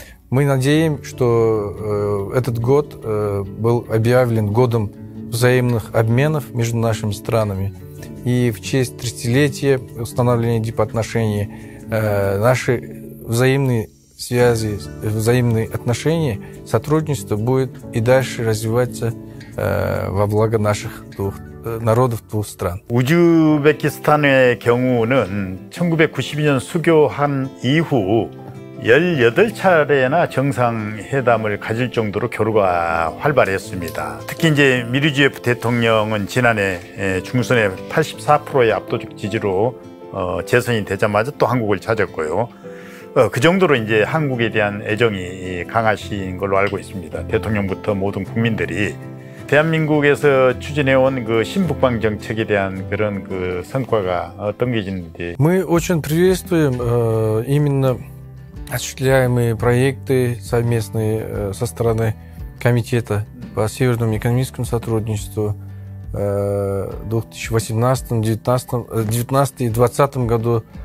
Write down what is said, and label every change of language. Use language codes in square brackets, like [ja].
[ru] Мы надеем, что этот год был объявлен годом взаимных обменов между нашими странами. И в честь 30-летия установления дипотношений наши взаимные связи, взаимные отношения, сотрудничество будет и дальше развиваться во благо наших двух, народов двух стран. В Узбекистане [ko] 경우는 1992년 수교한 이후 18차례나 정상회담을 가질 정도로 교류가 활발했습니다. 특히 이제 미르지예프 대통령은 지난해 중선에 84%의 압도적 지지로 재선이 되자마자 또 한국을 찾았고요. 그 정도로 이제 한국에 대한 애정이 강하신 걸로 알고 있습니다. 대통령부터 모든 국민들이 대한민국에서 추진해온 그 신북방 정책에 대한 그런 그 성과가 어떤 게 있는지. [ru] Мы очень приветствуем именно осуществляемые проекты совместные со стороны комитета по северному экономическому сотрудничеству 2019 и 2020 году.